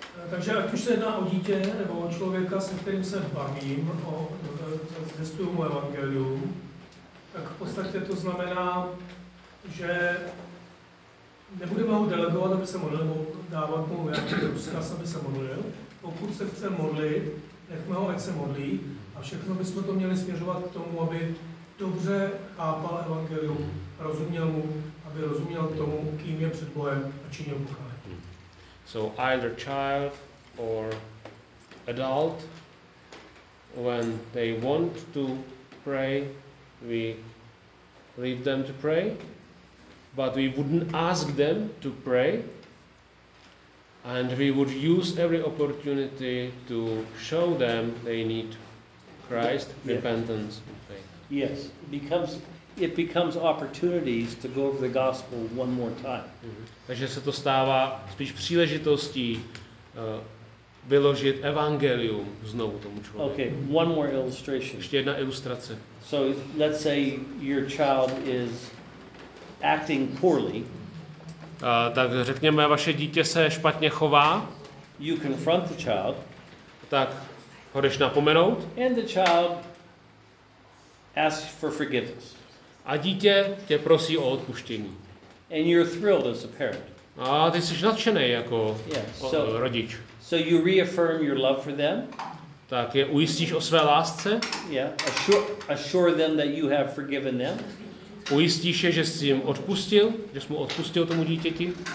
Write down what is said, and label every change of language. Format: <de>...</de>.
<cs>Takže ať už se jedná o dítě nebo o člověka, se kterým se bavím, zvěstuju mu evangelium, tak v podstatě to znamená, že nebudeme ho delegovat, aby se modlil, nebo dávat mu nějaký rozkaz, aby se modlil. Pokud se chce modlit, nechme ho, ať se modlí, a všechno bychom to měli směřovat k tomu, aby dobře chápal evangelium, rozuměl mu, aby rozuměl tomu, kým je před Bohem a činil Boha.</cs> <en>So either child or adult, when they want to pray, we leave them to pray, but we wouldn't ask them to pray, and we would use every opportunity to show them they need Christ, yes. Repentance, and faith. Yes, it becomes opportunities to go over the gospel one more time.</en> <cs>Takže se to stává spíš příležitostí vyložit evangelium znovu tomu člověku.</cs> <en>Okay, one more illustration.</en> <cs>Ještě jedna ilustrace.</cs> <en>So let's say your child is acting poorly.</en> <cs>Tak řekněme, vaše dítě se špatně chová.</cs> <en>You confront the child.</en> <cs>Tak ho jdeš napomenout.</cs> <en>And the child asks for forgiveness.</en> <cs>A dítě tě prosí o odpuštění.</cs> <en>And you're thrilled as a parent.</en> <cs>A ty jsi nadšený jako rodič.</cs> <en>So you reaffirm your love for them.</en> <cs>Tak je ujistíš o své lásce.</cs> <en>Yeah, assure them that you have forgiven them.</en> <cs>Ujistíš je, že jsi jim odpustil, že jsi mu odpustil tomu dítěti.</cs>